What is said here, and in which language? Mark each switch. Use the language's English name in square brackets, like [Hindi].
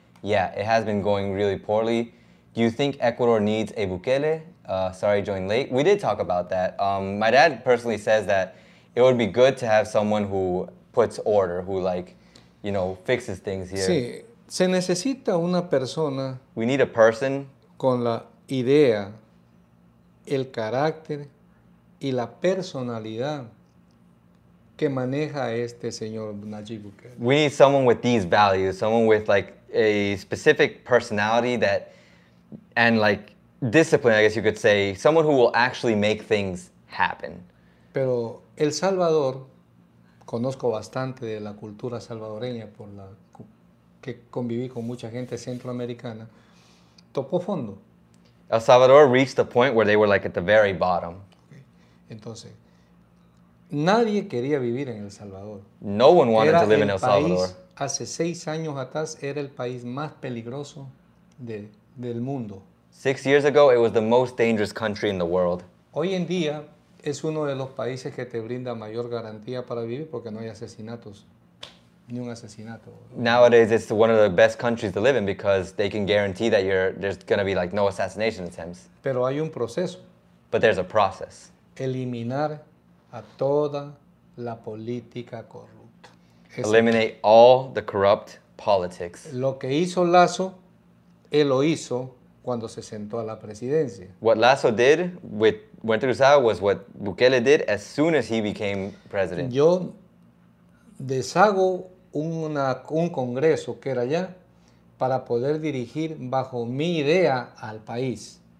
[English] Yeah, it has been going really poorly. Do you think Ecuador needs a Bukele? Sorry, joined late. We did talk about that. My dad personally says that it would be good to have someone who puts order, who like, you know, fixes things here. [Spanish] Sí. Se necesita una persona. [English] We need a person. [Spanish] Con la idea, el carácter y la personalidad que maneja este señor Nayib Bukele. [English] We need someone with these values, someone with like a specific personality that, and like discipline, I guess you could say, someone who will actually make things happen. [Spanish] Pero El Salvador, conozco bastante de la cultura salvadoreña por la que conviví con mucha gente centroamericana, topó fondo. [English] El Salvador reached the point where they were like at the very bottom. [Spanish] Entonces, nadie quería vivir en El Salvador. [English] No one wanted to live in El Salvador. [Spanish] Hace 6 años atrás era el país más peligroso del mundo. [English] 6 years ago, it was the most dangerous country in the world. [Spanish] Hoy en día es uno de los países que te brinda mayor garantía para vivir porque no hay asesinatos, ni un asesinato. [English] Nowadays, it's one of the best countries to live in because they can guarantee that there's going to be like no assassination attempts. [Spanish] Pero hay un proceso. [English] But there's a process. [Spanish] Eliminar a toda la política corrupta. [English] Eliminate all the corrupt politics. [Spanish] Lo que hizo Lasso, él lo hizo cuando se sentó a la presidencia. [English] What Lasso did with Puerto Rizal was what Bukele did as soon as he became president. [Spanish] Yo deshago un congreso que era allá para poder dirigir bajo mi idea al país.